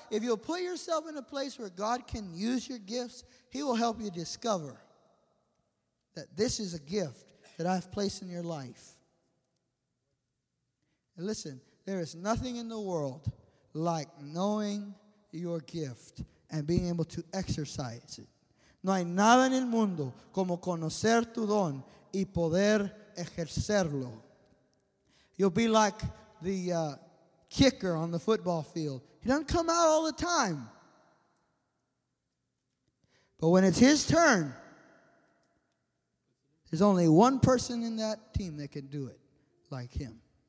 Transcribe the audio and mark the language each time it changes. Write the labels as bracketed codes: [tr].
[en] if you put yourself in a place where God can use your gifts, He will help you discover that this is a gift that I have placed in your life. And listen, there is nothing in the world like knowing your gift and being able to exercise it. [es] No hay nada en el mundo como conocer tu don y poder ejercerlo. [en] You'll be like the kicker on the football field. He doesn't come out all the time. But when it's his turn, there's only one person in that team that can do it like him.